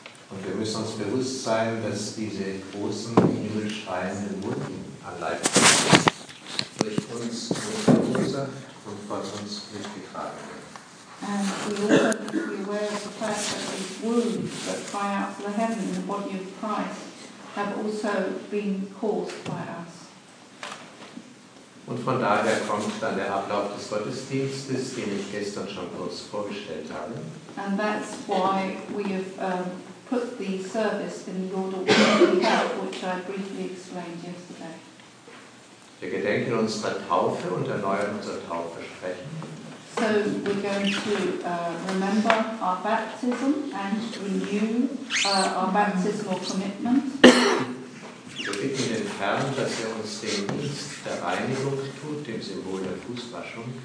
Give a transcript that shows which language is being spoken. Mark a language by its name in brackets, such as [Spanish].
[German] Und wir müssen uns bewusst sein, dass diese großen Himmel schreienden Wunden an Leib durch uns verursacht und von uns mitgetragen werden. [English] And we also need to be aware of the fact that these wounds that cry out to the heaven in the body of Christ have also been caused by us. [German] Und von daher kommt dann der Ablauf des Gottesdienstes, den ich gestern schon kurz vorgestellt habe. [English] And that's why we have put the service in the order we have, which I briefly explained yesterday. [German] Wir gedenken unserer Taufe und erneuern unser Taufversprechen. [English] So we're going to remember our baptism and renew our baptismal commitment. [German] Wir bitten den Herrn, dass er uns den Dienst der Reinigung tut, dem Symbol der Fußwaschung.